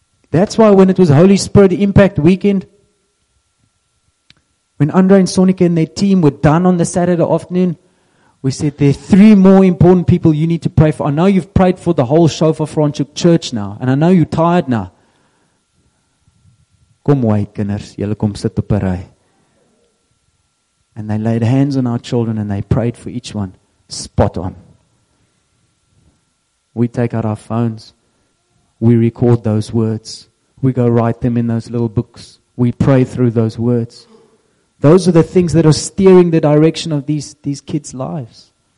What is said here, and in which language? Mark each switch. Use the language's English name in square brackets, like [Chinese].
[English] That's why when it was Holy Spirit Impact Weekend, when Andre and Sonika and their team were done on the Saturday afternoon, we said, there are 3 more important people you need to pray for. I know you've prayed for the whole Shofar Franschhoek Church now. And I know you're tired now. [Afrikaans] Kom wai kinders, julle kom sit op 'n ry. [English] And they laid hands on our children and they prayed for each one. Spot on. We take out our phones. We record those words. We go write them in those little books. We pray through those words. Those are the things that are steering the direction of these kids' lives.